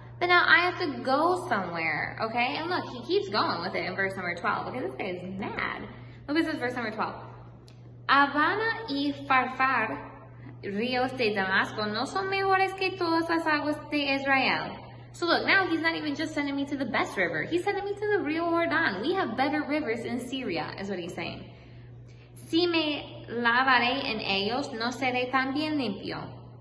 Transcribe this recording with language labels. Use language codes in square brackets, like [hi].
[en] But now I have to go somewhere, okay? And look, he keeps going with it in verse number 12, because this guy is mad. Look at this verse number 12. [es] Habana y Farfar, ríos de Damasco, no son mejores que todas las aguas de Israel. [en] So look, now he's not even just sending me to the best river. He's sending me to the Rio Jordan. We have better rivers in Syria, is what he's saying. [es] Si me lavaré en ellos, no seré tan bien limpio.